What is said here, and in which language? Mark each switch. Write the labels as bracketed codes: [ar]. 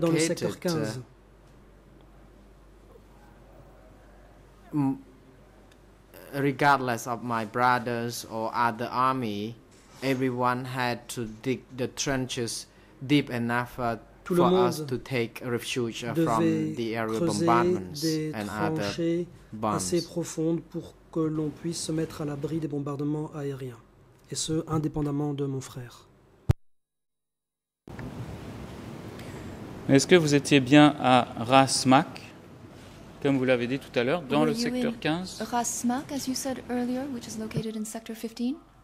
[fr] dans le secteur 15. [en] Regardless of my brothers or other army, everyone had to dig the trenches deep enough for us to take refuge from the aerial bombardments and other bombs. [fr] Assez profondes pour que l'on puisse se mettre à l'abri des bombardements aériens, et ce, indépendamment de mon frère. Est-ce que vous étiez bien à Ras Mak, comme vous l'avez dit tout à l'heure, dans [en] were [fr] le secteur 15? [en] Ras Mak, as you said earlier, which is located in sector 15?